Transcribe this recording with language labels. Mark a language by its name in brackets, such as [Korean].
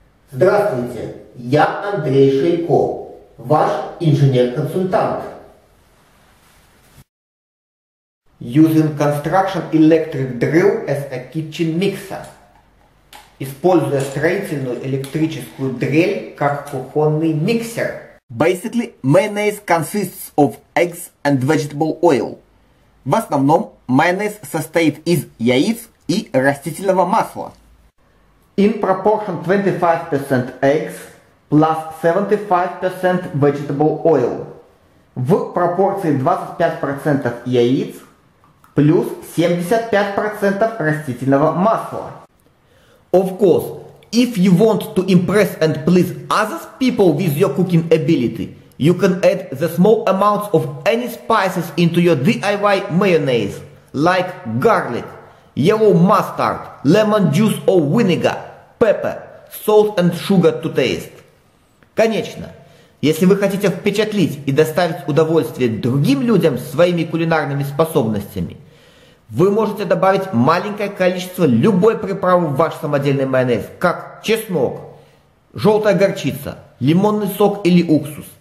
[Russian] Здравствуйте, я Андрей Шайко, ваш инженер-консультант. [English] Using construction electric drill as a kitchen mixer. [Russian] Используя строительную электрическую дрель как кухонный миксер. [English] Basically, mayonnaise consists of eggs and vegetable oil. [Russian] В основном майонез состоит из яиц и растительного масла. [English] In proportion 25% eggs plus 75% vegetable oil. [Russian] В пропорции 25% яиц плюс 75% растительного масла. [English] Of course, if you want to impress and please other people with your cooking ability, you can add the small amounts of any spices into your DIY mayonnaise, like garlic, yellow mustard, lemon juice or vinegar, pepper, salt and sugar to taste. [Russian] Конечно, если вы хотите впечатлить и доставить удовольствие другим людям своими кулинарными способностями, вы можете добавить маленькое количество любой приправы в ваш самодельный майонез, как чеснок, желтая горчица, лимонный сок или уксус.